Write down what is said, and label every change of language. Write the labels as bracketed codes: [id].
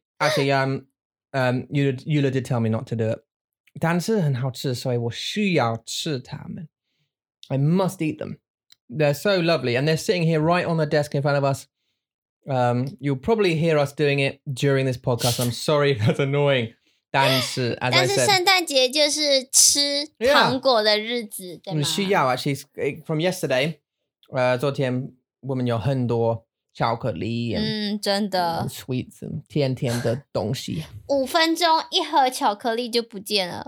[en] Actually, Yula did tell me not to do it. [zh] 但是很好吃，所以我需要吃它们。 [en] I must eat them. They're so lovely, and they're sitting here right on the desk in front of us. You'll probably hear us doing it during this podcast. I'm sorry if that's annoying. [zh] 但是, [en] as [zh] 但是圣诞节就是吃糖果的日子、 [en] yeah. [zh] 对吗？需要 [en] actually, from yesterday, [zh] 昨天我们有很多巧克力真的 sweets, 甜甜的东西。五分钟一盒巧克力就不见了。